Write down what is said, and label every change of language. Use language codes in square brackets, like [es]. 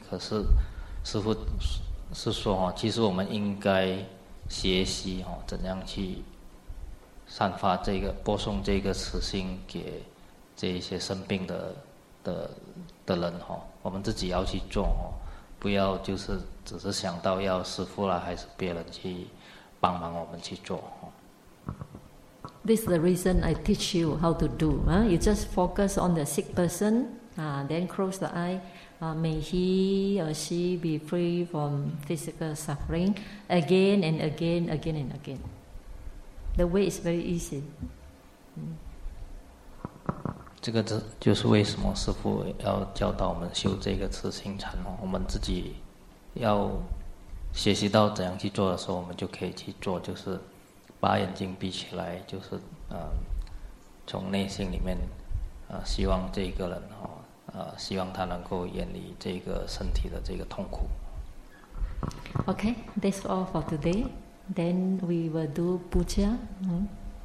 [zh] 可是师父是说其实我们应该学习怎样去散发这个播送这个慈心给这一些生病的人我们自己要去做不要就是只是想到要师父啦还是别人去帮忙我们去做。 [en] This is the reason I teach you how to do. You just focus on the sick person, then close the eye. May he or she be free from physical suffering again and again, again and again. The way is very easy. [zh] 这个就是为什么师父要教导我们修这个慈心禅，我们自己要学习到怎样去做的时候，我们就可以去做，就是把眼睛闭起来，就是从内心里面希望这个人希望他能够远离这个身体的这个痛苦。 [en] Okay, that's all for today. Then we will do puja.